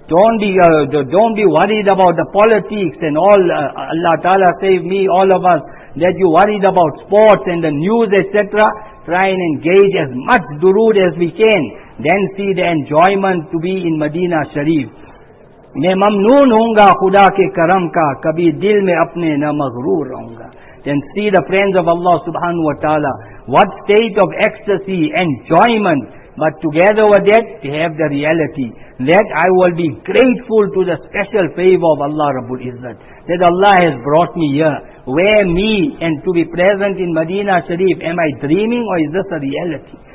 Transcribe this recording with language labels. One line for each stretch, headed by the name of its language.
English: Don't be worried about the politics and all. Allah Ta'ala save me, all of us, that you worried about sports and the news, etc. Try and engage as much durood as we can. Then see the enjoyment to be in Medina Sharif.
Urdu: میں ممنون ہوں گا خدا کے کرم کا کبھی دل میں اپنے نہ مغرور رہوں گا.
English: Then see the friends of Allah subhanahu wa ta'ala. what state of ecstasy, enjoyment. But together with that, they have the reality that I will be grateful to the special favor of Allah Rabbul Izzat, that Allah has brought me here. Where me and to be present in Medina Sharif, am I dreaming or is this a reality?